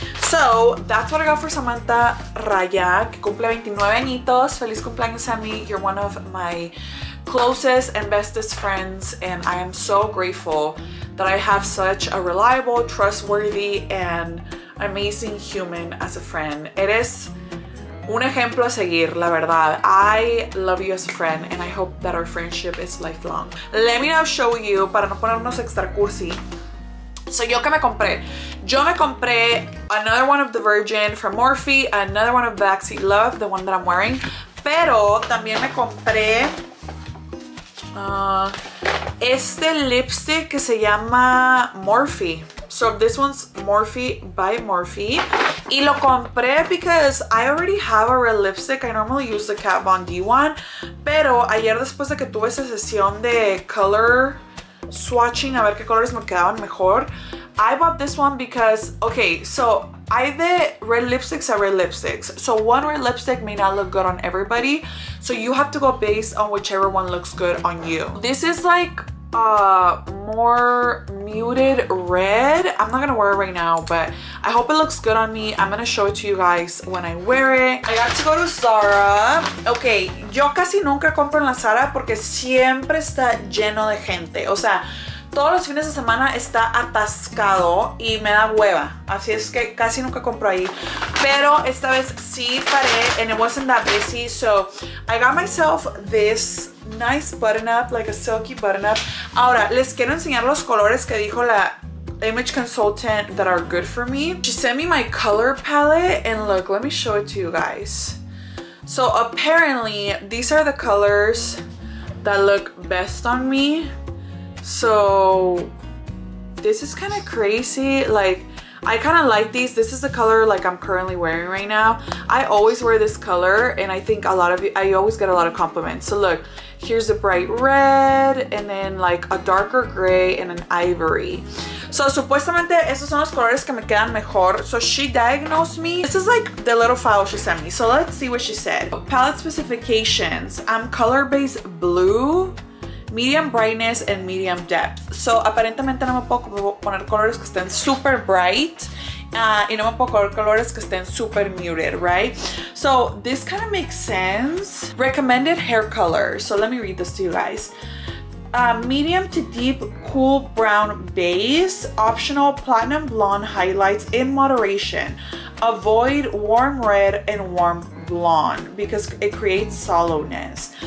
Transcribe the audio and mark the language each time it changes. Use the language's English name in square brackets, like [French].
[English] So that's what I got for Samantha Raya, [Spanish] que cumple 29 añitos. Feliz cumpleaños, [English] Sammy. You're one of my closest and bestest friends, and I am so grateful that I have such a reliable, trustworthy, and amazing human as a friend. It is [Spanish] un ejemplo a seguir, la verdad. [English] I love you as a friend, and I hope that our friendship is lifelong. Let me now show you, [Spanish] para no ponernos extra cursi. So, ¿yo qué me compré? Yo me compré [English] another one of the Virgin from Morphe, another one of Backseat Love, the one that I'm wearing. [Spanish] Pero también me compré este lipstick que se llama Morphe. [English] So this one's Morphe by Morphe. [Spanish] Y lo compré [English] because I already have a red lipstick. I normally use the Kat Von D one. [Spanish] Pero ayer después de que tuve esa sesión de color swatching, a ver qué colores me quedaban mejor, [English] I bought this one because, okay, so either red lipsticks [Spanish] are red lipsticks. [English] So one red lipstick may not look good on everybody. So you have to go based on whichever one looks good on you. This is like more muted red. I'm not gonna wear it right now, but I hope it looks good on me. I'm gonna show it to you guys when I wear it. I got to go to Zara. [Spanish] Okay, yo casi nunca compro en la Zara porque siempre está lleno de gente. O sea, todos los fines de semana está atascado y me da hueva. Así es que casi nunca compro ahí. Pero esta vez sí paré, [English] and it wasn't that busy. So I got myself this nice button up, like a silky button up. [Spanish] Ahora, les quiero enseñar los colores que dijo la image consultant [English] that are good for me. She sent me my color palette, and look, let me show it to you guys. So apparently, these are the colors that look best on me. So this is kind of crazy. Like, I kind of like these. This is the color like I'm currently wearing right now. I always wear this color, and I think a lot of you, I always get a lot of compliments. So look, here's a bright red, and then like a darker gray and an ivory. [Spanish] So supuestamente esos son los colores que me quedan mejor. [English] So she diagnosed me. This is like the little file she sent me. So let's see what she said. Palette specifications. I'm color based blue, medium brightness and medium depth. [Spanish] So aparentemente no me puedo poner colores que estén super bright, y no me puedo poner colores que estén super muted, right? [English] So this kind of makes sense. Recommended hair color. So let me read this to you guys. Medium to deep cool brown base, optional platinum blonde highlights in moderation. Avoid warm red and warm blonde because it creates sallowness.